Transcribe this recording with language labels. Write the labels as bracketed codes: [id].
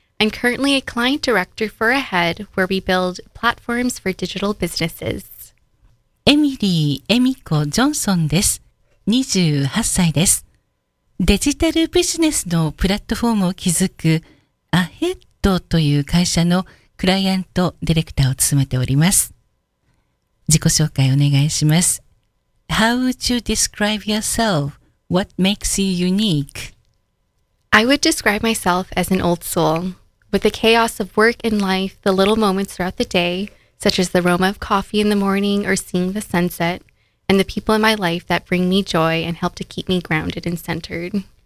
[en] I'm currently a client director for Ahead, where we build platforms for digital businesses. [ja] Emily Miyako Johnson です。28歳です。デジタルビジネスのプラットフォームを築く Ahead という会社のクライアントディレクターを務めております。自己紹介お願いします。 [en] How would you describe yourself? What makes you unique? I would describe myself as an old soul. With the chaos of work and life, the little moments throughout the day, such as the aroma of coffee in the morning or seeing the sunset, and the people in my life that bring me joy and help to keep me grounded and centered.